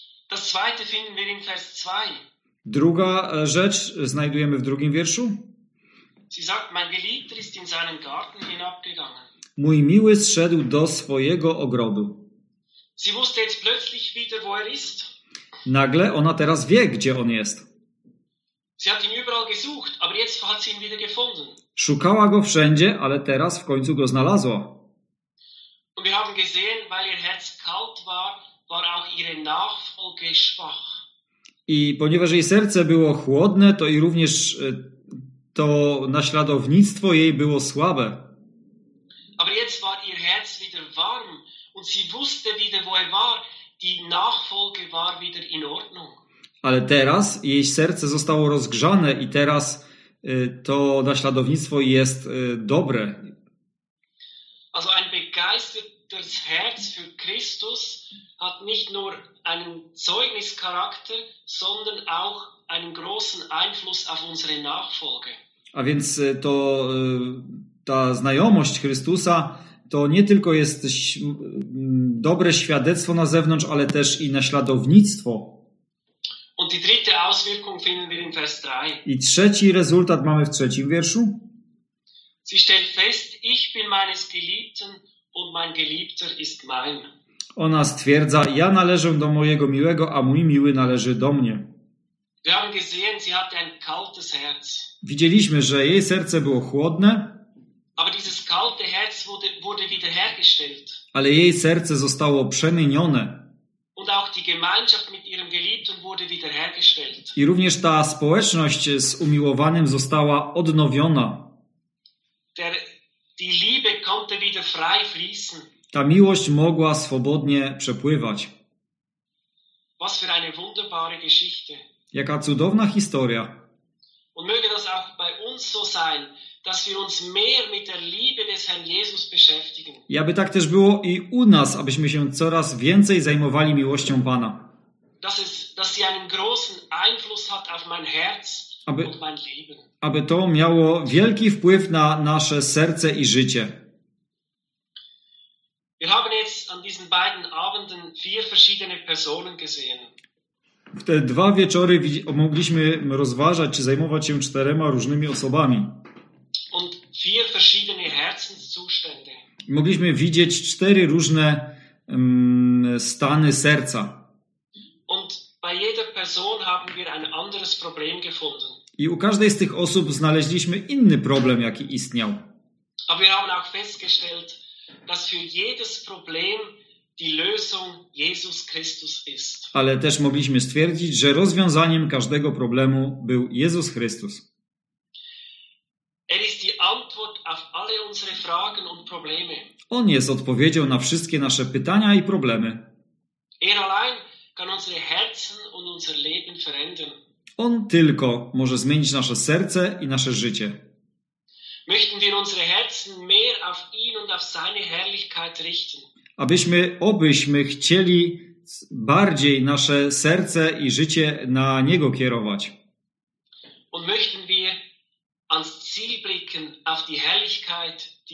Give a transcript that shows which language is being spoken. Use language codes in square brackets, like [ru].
[de] Das zweite finden wir in Vers 2. [pl] Druga rzecz znajdujemy w 2 wierszu. [de] Sie sagt, mein Geliebter ist in seinen Garten hinabgegangen. [pl] Mój miły zszedł do swojego ogrodu. [de] Sie wusste jetzt plötzlich wieder, wo er ist. [pl] Nagle ona teraz wie, gdzie on jest. [de] Sie hat ihn überall gesucht, aber jetzt hat sie ihn wieder gefunden. [pl] Szukała go wszędzie, ale teraz w końcu go znalazła. [de] Und wir haben gesehen, weil ihr Herz kalt war, war auch ihre Nachfolge schwach. [pl] I ponieważ jej serce było chłodne, to i również to naśladownictwo jej było słabe. [de] Aber jetzt war ihr Herz wieder warm. Und sie wusste wieder, wo er war. Die Nachfolge war wieder in Ordnung. [pl] Ale teraz jej serce zostało rozgrzane i teraz to naśladownictwo jest dobre. [de] Also ein begeistertes Herz für Christus hat nicht nur einen Zeugnischarakter, sondern auch einen großen Einfluss auf unsere Nachfolge. [pl] A więc to ta znajomość Chrystusa to nie tylko jest dobre świadectwo na zewnątrz, ale też i naśladownictwo. [de] Und die dritte Auswirkung finden wir in Vers 3. [pl] I trzeci rezultat mamy w 3 wierszu. [de] Sie stellt fest, ich bin meines Geliebten und mein Geliebter ist mein. [pl] Ona stwierdza, ja należę do mojego miłego, a mój miły należy do mnie. [de] Wir haben gesehen, sie hatte ein kaltes Herz. [pl] Widzieliśmy, że jej serce było chłodne. [de] Aber dieses kalte Herz wurde wiederhergestellt. [pl] Ale jej serce zostało przemienione. [de] Und auch die Gemeinschaft mit ihrem Geliebten wurde wiederhergestellt. [pl] I również ta społeczność z umiłowanym została odnowiona. [de] Die Liebe konnte wieder frei fließen. [pl] Ta miłość mogła swobodnie przepływać. [de] Was für eine wunderbare Geschichte. [pl] Jaka cudowna historia. [de] Und möge das auch bei uns so sein, dass wir uns mehr mit der Liebe des Herrn Jesus beschäftigen. [pl] I aby tak też było i u nas, abyśmy się coraz więcej zajmowali miłością Pana. [de] Dass sie einen großen Einfluss hat auf mein Herz und mein Leben. [pl] Aby to miało wielki wpływ na nasze serce i życie. [de] Wir haben jetzt an diesen beiden Abenden 4 verschiedene Personen gesehen. [pl] W te 2 wieczory mogliśmy rozważać czy zajmować się 4 różnymi osobami. [de] Und 4 verschiedene Herzenszustände. [pl] Mogliśmy widzieć 4 różne stany serca. [de] Und bei jeder Person haben wir ein anderes Problem gefunden. [pl] I u każdej z tych osób znaleźliśmy inny problem, jaki istniał. [de] Aber wir haben auch festgestellt, dass für jedes Problem die Lösung Jesus Christus ist. [pl] Ale też mogliśmy stwierdzić, że rozwiązaniem każdego problemu był Jezus Chrystus. [de] Er ist die Antwort auf alle unsere Fragen und Probleme. [pl] On jest odpowiedzią na wszystkie nasze pytania i problemy. [de] Er allein kann unsere Herzen und unser Leben verändern. [pl] On tylko może zmienić nasze serce i nasze życie. [de] Möchten wir unsere Herzen mehr auf ihn und auf seine Herrlichkeit richten? [pl] Abyśmy chcieli bardziej nasze serce i życie na Niego kierować. [de] Und möchten wir ans Ziel blicken, auf die Herrlichkeit,